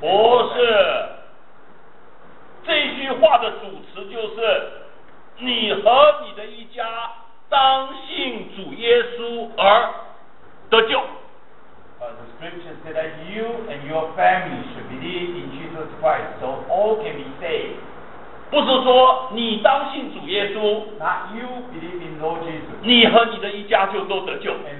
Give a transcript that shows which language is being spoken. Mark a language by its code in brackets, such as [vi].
[zh] 不是，这句话的主词就是你和你的一家当信主耶稣而得救。 [en] But the scripture said that you and your family should believe in Jesus Christ, so all can be saved. [zh] 不是说你当信主耶稣， [en] Not you believe in Lord Jesus. [zh] 你和你的一家就都得救。